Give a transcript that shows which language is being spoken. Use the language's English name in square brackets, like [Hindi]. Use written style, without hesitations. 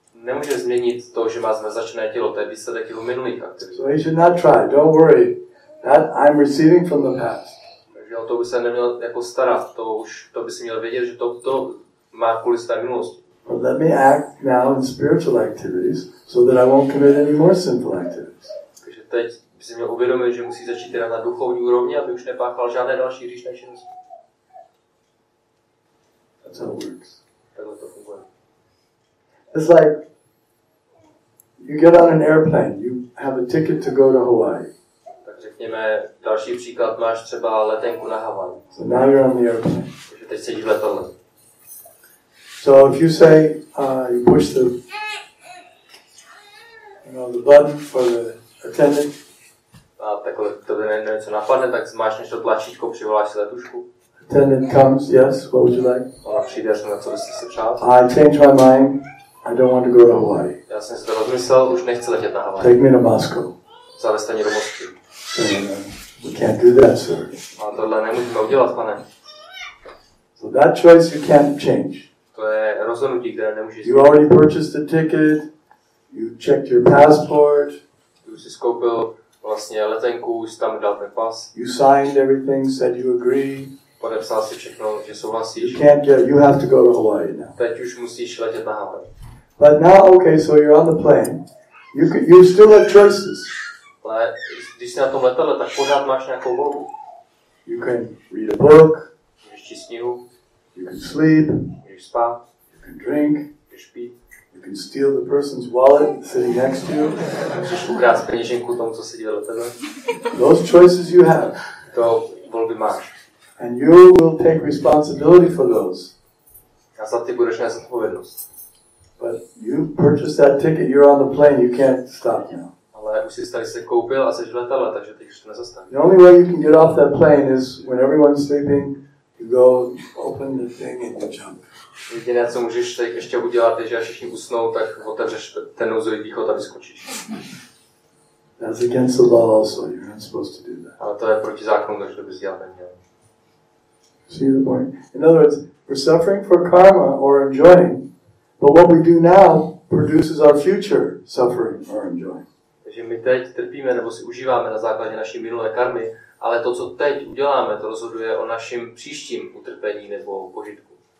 [Czech] Nemůže změnit to, že má zmrzačené tělo, to je výsledek jeho minulých aktivit. [English] So he should not try, don't worry. That I'm receiving from the past. [Czech] Takže o to by se neměl jako starat, to už to by si měl vědět, že to, to má kvůli své minulosti. [English] But let me act now in spiritual activities, so that I won't commit any more sinful activities. [Czech] Takže teď by si měl uvědomit, že musí začít teda na duchovní úrovni, aby už nepáchal žádné další hříšné činnosti. [English] That's how it works. [Czech] Takhle to funguje. [English] It's like you get on an airplane, you have a ticket to go to Hawaii. [Czech] Tak řekněme další příklad, máš třeba letenku na Havaj. [English] So now you're on the airplane. [Czech] Takže teď sedíš v letadle. [English] So if you say you push the the button for the attendant. [Czech] A takhle to něco napadne, tak zmáčkneš to tlačítko, přivoláš si letušku. [English] Attendant comes, yes, what would you like? [Czech] Ona přijde, na co byste si přál? [English] I change my mind. I don't want to go to Hawaii. [Czech] Já jsem si to rozmyslel, už nechci letět na Hawaii. [English] Take me to Moscow. [Czech] Zaveste mě do Moskvy. [English] We can't do that, sir. [Czech] A tohle nemůžeme udělat, pane. [English] So that choice you can't change. [Czech] To je rozhodnutí, které nemůžeš změnit. [English] You already purchased the ticket. You checked your passport. [Czech] Ty už jsi skoupil vlastně letenku, už jsi tam dal ten pas. [English] You signed everything, said you agree. [Czech] Podepsal jsi všechno, že souhlasíš. [English] You can't get, you have to go to Hawaii now. [Czech] Teď už musíš letět na Hawaii. [English] But now, okay, so you're on the plane. You could, you still have choices. [Czech] Když jsi na tom letadle, tak pořád máš nějakou volbu. [English] You can read a book. [Czech] Můžeš číst knihu. [English] You can sleep. [Czech] Můžeš spát. [English] You can drink. [Czech] Můžeš pít. [English] You can steal the person's wallet sitting next to you. [Czech] Můžeš ukrát peněženku tomu, co sedí v letadle. [English] Those choices you have. [Czech] To volby máš. [English] And you will take responsibility for those. [Czech] A za ty budeš nést odpovědnost. [English] But you purchased that ticket, you're on the plane, you can't stop now. [Czech] Ale už jsi tady se koupil a jsi v letadle, takže teď už to nezastaví. [English] The only way you can get off that plane is when everyone's sleeping, you go open the thing and you jump. [Czech] Jediné, co můžeš teď ještě udělat, je, že až všichni usnou, tak otevřeš ten nouzový východ a vyskočíš. [English] That's against the law also, you're not supposed to do that. [Czech] Ale to je proti zákonu, takže to bys dělat neměl. [English] See the point? In other words, we're suffering for karma or enjoying. But what we do now produces our future suffering or enjoying. [Czech] Takže my teď trpíme nebo si užíváme na základě naší minulé karmy, ale to, co teď uděláme, to rozhoduje o našem příštím utrpení nebo požitku.